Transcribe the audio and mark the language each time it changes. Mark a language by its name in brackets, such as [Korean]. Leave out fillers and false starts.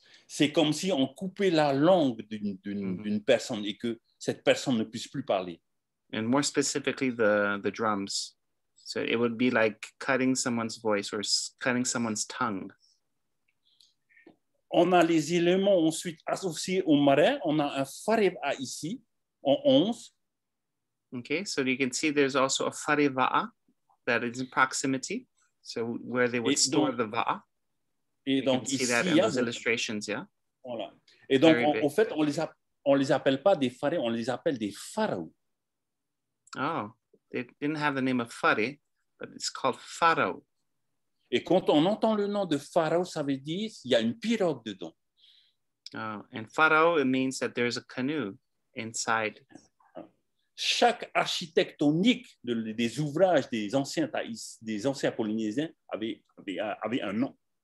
[French] C'est comme si on coupait la langue d'une personne et que cette personne ne puisse plus parler. [English] And more specifically, the drums. So it would be like cutting someone's voice or cutting someone's tongue. [French] On a les éléments ensuite associés au marais. On a un fareva ici, en 11. [English] Okay, so you can see there's also a fareva that is in proximity, so where they would store the va'a. [French] Et donc [English] you can see [French] ici, [English] that in those illustrations, yeah? [French] Voilà. Et donc, au fait, on les appelle pas des fare, on les appelle des pharaons. [English] Oh, they didn't have the name of fare, but it's called pharaoh. [French] Et quand on entend le nom de Pharaon, ça veut dire qu'il y a une pirogue dedans. [English] Oh, and Pharaon, it means that there's a canoe inside. [French] Chaque architectonique des ouvrages des anciens Polynésiens avait un nom.